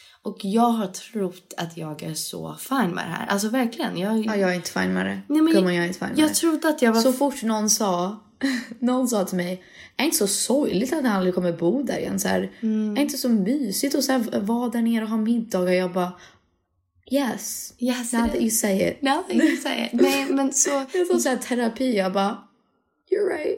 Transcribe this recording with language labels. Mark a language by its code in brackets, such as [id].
[sv] Och jag har trott att jag är så fin med det här. Alltså verkligen. Jag är inte fin med det. Nej, men jag är inte fin med det. Jag trodde att jag var... Så fort någon sa... Någon sa till mig, är inte så sorgligt att han aldrig kommer bo där igen, så här, är inte så mysigt och så här, vara där nere och ha middagar. Jag bara, [en] yes now that you say it. [sv] Nej, men så det är så här terapi, jag bara, [en] you're right.